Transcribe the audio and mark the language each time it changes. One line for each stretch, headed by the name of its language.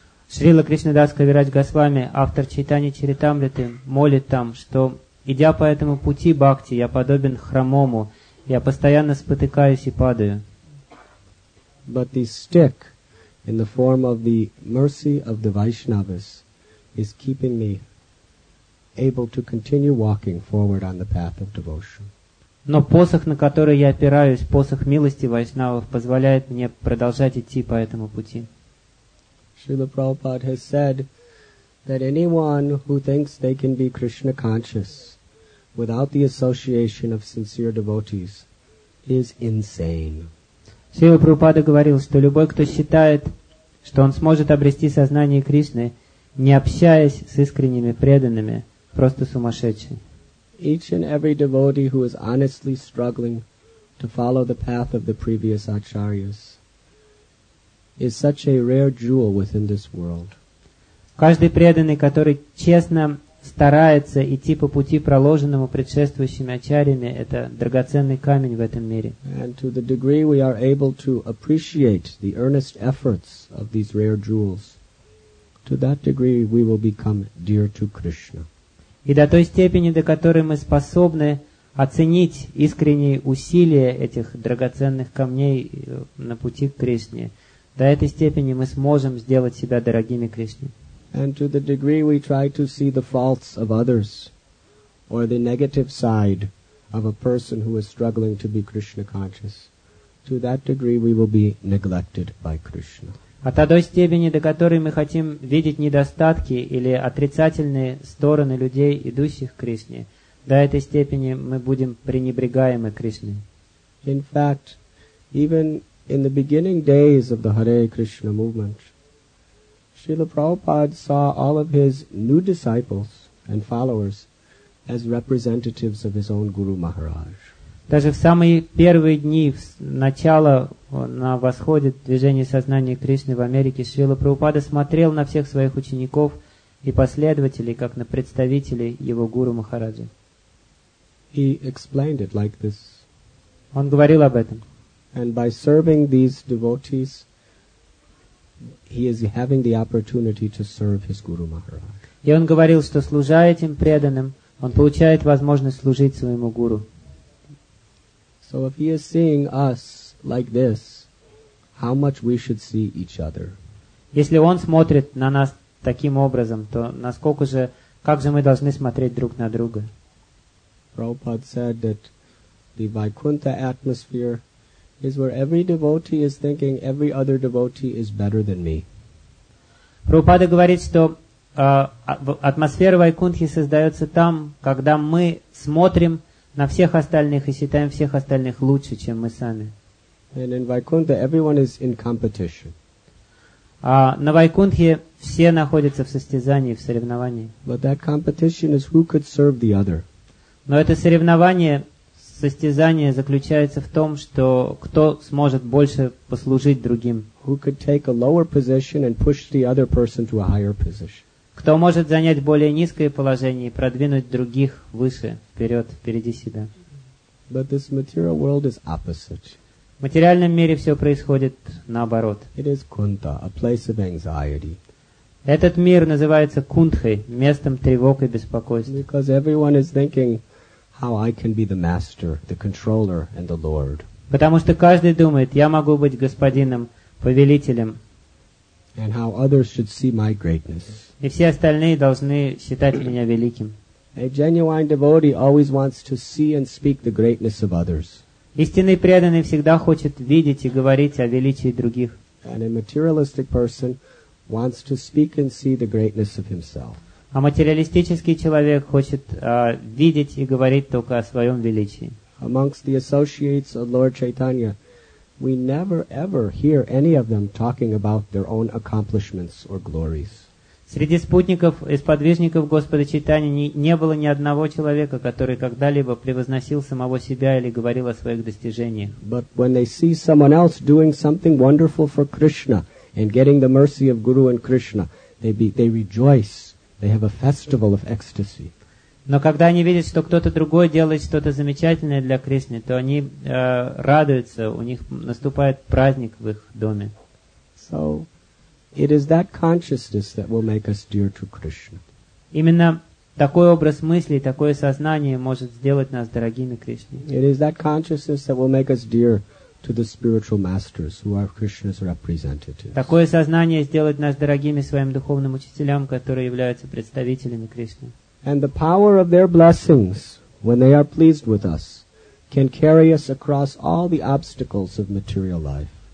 Russian: Шрила Кришна Дас Кавирадж Госвами, автор Чайтани Чаритамриты, молит там, что, идя по этому пути бхакти, я подобен хромому, я постоянно спотыкаюсь и падаю.
English: But the stick, in the form of the mercy of the Vaishnavas, is keeping me able to continue walking forward on the path of devotion.
Russian: Но посох, на который я опираюсь, посох милости Вайшнавов, позволяет мне продолжать идти по этому пути.
English: Srila Prabhupada has said that anyone who thinks they can be Krishna conscious without the association of sincere devotees is insane.
Russian: Шрила Прабхупада говорил, что любой, кто считает, что он сможет обрести сознание Кришны, не общаясь с искренними преданными, просто сумасшедший.
English: Each and every devotee who is honestly struggling to follow the path of the previous acharyas is such a rare jewel within this world.
Russian: Каждый преданный, который честно старается идти по пути, проложенному предшествующими ачарьями, это драгоценный камень в этом мире.
English: And to the degree we are able to appreciate the earnest efforts of these rare jewels, to that degree we will become dear to Krishna.
Russian: И до той степени, до которой мы способны оценить искренние усилия этих драгоценных камней на пути к Кришне, до этой степени мы сможем сделать себя дорогими Кришне.
English: And to the degree we try to see the faults of others or the negative side of a person who is struggling to be Krishna conscious, to that degree we will be neglected by Krishna.
Russian: А та до степени, до которой мы хотим видеть недостатки или отрицательные стороны людей, идущих к Кришне, до этой степени мы будем пренебрегаемы Кришной.
English: In fact, even in the beginning days of the Hare Krishna movement, Srila Prabhupada saw all of his new disciples and followers as representatives of his own Guru Maharaj.
Russian: Даже в самые первые дни, в начало на восходе движения сознания Кришны в Америке, Шрила Прабхупада смотрел на всех своих учеников и последователей, как на представителей его Гуру Махараджа.
English: He explained it like this.
Russian: Он говорил об этом.
English: And by serving these devotees, He is having the opportunity to serve his Guru Maharaj.
Russian: И он говорил, что служа этим преданным, он получает возможность служить своему гуру.
English: So if he is seeing us like this, how much we should see each other?
Russian: Если он смотрит на нас таким образом, то насколько же, как же мы должны смотреть друг на друга?
English: Prabhupada said that the Vaikuntha atmosphere is where every devotee is thinking every other devotee is better than me.
Russian: Прабхупада говорит, что атмосфера Вайкунтхи создается там, когда мы смотрим на всех остальных и считаем всех остальных лучше, чем мы сами.
English: And in Vaikuntha, everyone is in competition.
Russian: А на Вайкунтхе все находятся в состязании, в соревновании.
English: But that competition is who could serve the other.
Russian: Но это соревнование, состязание заключается в том, что кто сможет больше послужить другим.
English: Who could take a lower position and push the other person to a higher position.
Russian: Кто может занять более низкое положение и продвинуть других выше, вперед, впереди себя.
English: But this material world is opposite.
Russian: В материальном мире все происходит наоборот.
English: It is Kunta, a place of anxiety.
Russian: Этот мир называется Кунтхой, местом тревог и беспокойств.
English: Because everyone is thinking how I can be the master, the controller, and the lord.
Russian: Потому что каждый думает, я могу быть господином, повелителем.
English: And how others should see my greatness.
Russian: И все остальные должны считать меня великим.
English: A genuine devotee always wants to see and speak the greatness of others.
Russian: Истинный преданный всегда хочет видеть и говорить о величии других.
English: And a materialistic person wants to speak and see the greatness of himself.
Russian: А материалистический человек хочет видеть и говорить только о своем величии.
English: Amongst the associates of Lord Chaitanya, we never ever hear any of them talking about their own accomplishments or glories.
Russian: Среди спутников и сподвижников Господа Чайтаньи не было ни одного человека, который когда-либо превозносил самого себя или говорил о своих достижениях.
English: But when they see someone else doing something wonderful for Krishna and getting the mercy of Guru and Krishna, they rejoice. They have a festival of ecstasy.
Russian: Но когда они видят, что кто-то другой делает что-то замечательное для Кришны, то они радуются, у них наступает праздник в их доме.
English: So, it is that consciousness that will make us dear to Krishna.
Russian: Именно такой образ мыслей, такое сознание может сделать нас дорогими Кришне.
English: It is that consciousness that will make us dear to the spiritual masters who are Krishna's representatives.
Russian: Такое сознание сделает нас дорогими своим духовным учителям, которые являются представителями Кришны.
English: And the power of their blessings, when they are pleased with us, can carry us across all the obstacles of material life.